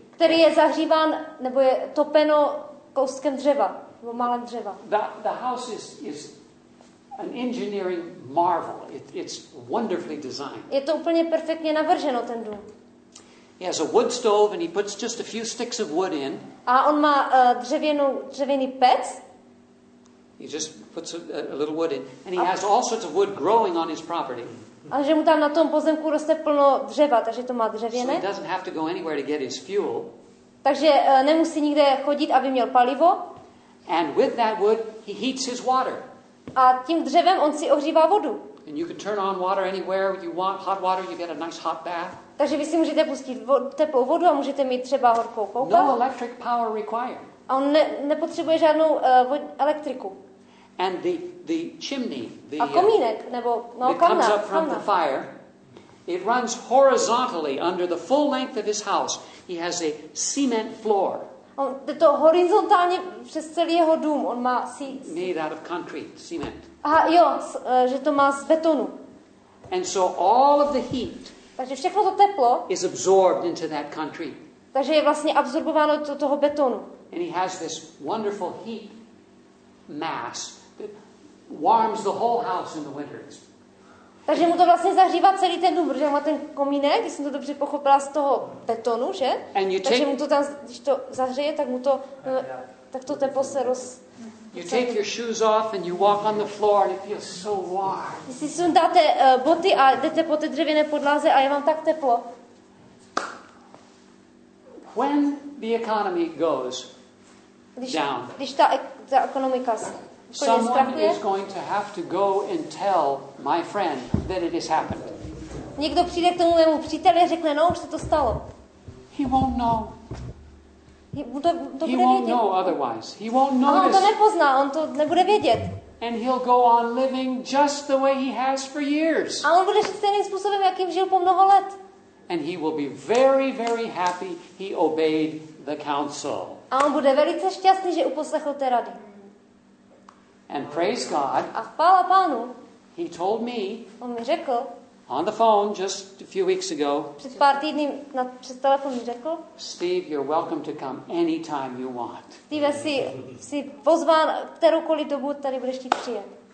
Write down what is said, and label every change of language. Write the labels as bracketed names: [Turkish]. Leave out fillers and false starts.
[Czech] Který je zahříván nebo je topeno kouskem dřeva, nebo malem dřeva. [English] The house is an engineering marvel. It's wonderfully designed. [Czech] Je to úplně perfektně navrženo ten dům. [English] He has a wood stove and he puts just a few sticks of wood in. [Czech] A on má dřevěný pec. [English] He just puts a little wood in. And he has all sorts of wood growing on his property. [Czech] A že mu tam na tom pozemku roste plno dřeva, takže to má dřevěné. [English] So he doesn't have to go anywhere to get his fuel. [Czech] Takže nemusí nikde chodit, aby měl palivo. [English] And with that wood, he heats his water. [Czech] A tím dřevem on si ohřívá vodu. [English] And you can turn on water anywhere you want, hot water, you get a nice hot bath. [Czech] Takže vy si můžete pustit teplou vodu a můžete mít třeba horkou koupel. [English] No electric power required. [Czech] A on nepotřebuje žádnou elektriku. [English] And the chimney, the [Czech] a komínek, nebo no, kamna, [English] comes up from [Czech] kamna. [English] The fire. It runs horizontally under the full length of his house. He has a cement floor. [Czech] On jde to horizontálně přes celý jeho dům. On má [English] made out of concrete, cement. [Czech] Aha, jo, že to má z betonu. [English] And so all of the heat. [Czech] Takže všechno to teplo. [English] Is absorbed into that concrete. [Czech] Takže je vlastně absorbováno do toho betonu. [English] And he has this wonderful heat mass that warms the whole house in the winters. [Czech] Takže mu to vlastně zahřívá celý ten dům, protože má ten komínek, jestli jsem to dobře pochopila, z toho betonu, že? Takže mu to tam, když to zahřeje, tak mu to, tak to teplo se roz... [English] You take your shoes off and you walk on the floor and it feels so warm. [Czech] Když si sundáte boty a jdete po té dřevěné podlaze a je vám tak teplo. [English] When the economy goes down, [Czech] když ta ekonomika [English] someone is going to have to go and tell my friend that it has happened. [Czech] Někdo přijde k tomu mému příteli a řekne, no, už se to stalo. [English] He won't know. He won't [Czech] vědět. [English] Know otherwise. He won't notice. [Czech] On to nepozná, on to nebude vědět. [English] And he'll go on living just the way he has for years. [Czech] A on bude žít stejným způsobem, jakým žil po mnoho let. [English] And he will be very, very happy he obeyed the counsel. [Czech] A on bude velice šťastný, že uposlechl té rady. [English] And praise God. [Czech] A chvála Pánu. [English] He told me. [Czech] On mi řekl. [English] On the phone just a few weeks ago. [Czech] Před pár týdny přes telefon mi řekl. [English] Steve, you're welcome to come anytime you want. [Czech] Steve, jsi pozván kteroukoliv dobu, tady budeš ti přijet.